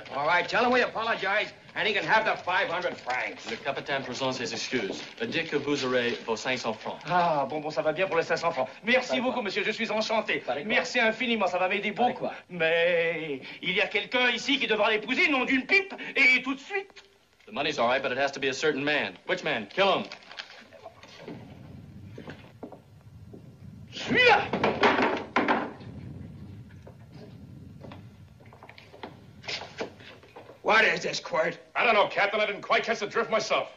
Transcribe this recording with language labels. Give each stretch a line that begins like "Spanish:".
English: All right, tell him we apologize, and he can have the 500 francs.
French: Le capitaine présente ses excuses. Dès que vous aurez vos 500 francs. Ah, bon, bon, ça va bien pour les 500 francs. Merci pas beaucoup, monsieur, je suis enchanté. Merci infiniment, ça va m'aider beaucoup. Mais il y a quelqu'un ici qui devra l'épouser, nom d'une pipe, et tout de suite.
English: The money's all right, but it has to be a certain man. Which man? Kill him. What is this, Quirt? I don't know, Captain. I didn't quite catch the drift myself.